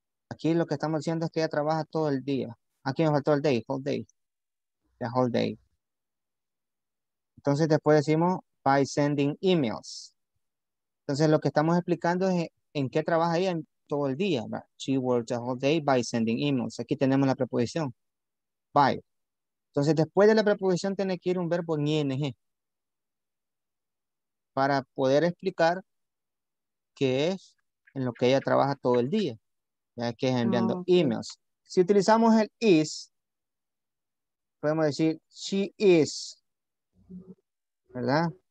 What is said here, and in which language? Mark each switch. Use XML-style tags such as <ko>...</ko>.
<es>Aquí lo que estamos diciendo es que ella trabaja todo el día. Aquí nos faltó el</es> <en>day, whole day. The whole day.</en> <es>Entonces después decimos,</es> <en>by sending emails.</en> <es>Entonces lo que estamos explicando es en qué trabaja ella todo el día,</es> <en>right? She works the whole day by sending emails.</en> <es>Aquí tenemos la preposición by. Entonces después de la preposición tiene que ir un verbo en ing para poder explicar qué es en lo que ella trabaja todo el día, ya que es enviando emails. Si utilizamos el is, podemos decir</es> <en>she is,</en> <es>¿verdad?</es>